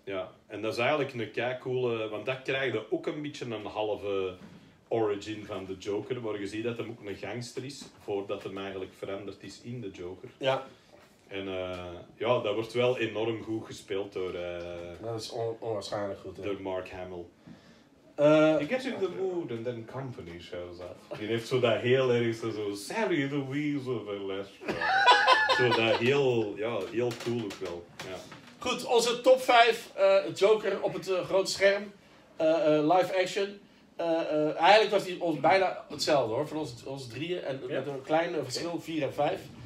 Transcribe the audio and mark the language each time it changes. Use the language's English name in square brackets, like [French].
[Dutch] Ja, en dat is eigenlijk een keikoole, want dat krijgde ook een beetje een halve origin van de Joker, waar je ziet dat hem ook een gangster is, voordat hem eigenlijk veranderd is in de Joker. Ja. En ja, dat wordt wel enorm goed gespeeld door... dat is onwaarschijnlijk goed, door Mark Hamill. [English] You get in the mood and then company shows up. [Dutch] Je heeft zo dat heel erg zo... Sally the Weasel van Lester. Zo dat heel, ja, heel cool ook wel. Ja. Goed, onze top 5 Joker op het grote scherm. Live action. Eigenlijk was die ons bijna hetzelfde hoor, van ons drieën en met een klein verschil, 4 en 5.